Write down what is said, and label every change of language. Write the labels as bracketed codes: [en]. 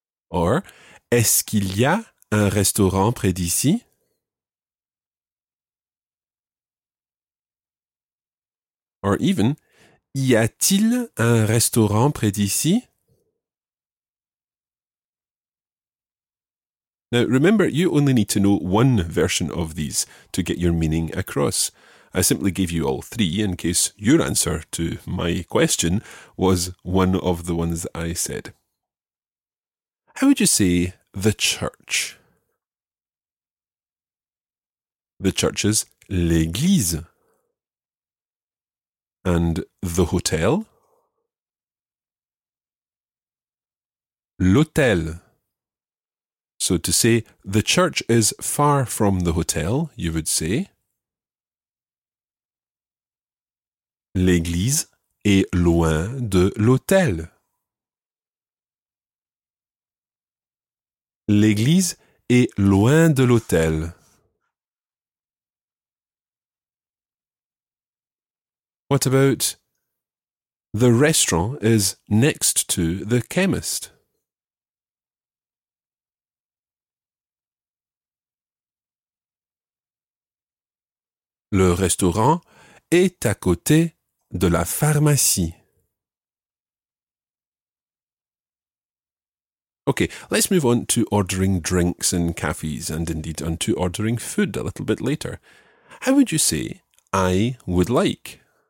[fr] Or, est-ce qu'il y a un restaurant près d'ici? [en] Or even, [fr] y a-t-il un restaurant près d'ici? [en] Now, remember, you only need to know one version of these to get your meaning across. I simply gave you all three in case your answer to my question was one of the ones I said. How would you say the church? The church is l'église. And the hotel? L'hôtel. So to say the church is far from the hotel, you would say [fr] l'église est loin de l'hôtel. L'église est loin de l'hôtel. [en] What about the restaurant is next to the chemist? [fr] Le restaurant est à côté de la pharmacie. [en] Okay, let's move on to ordering drinks in cafes and indeed on to ordering food a little bit later. How would you say, I would like?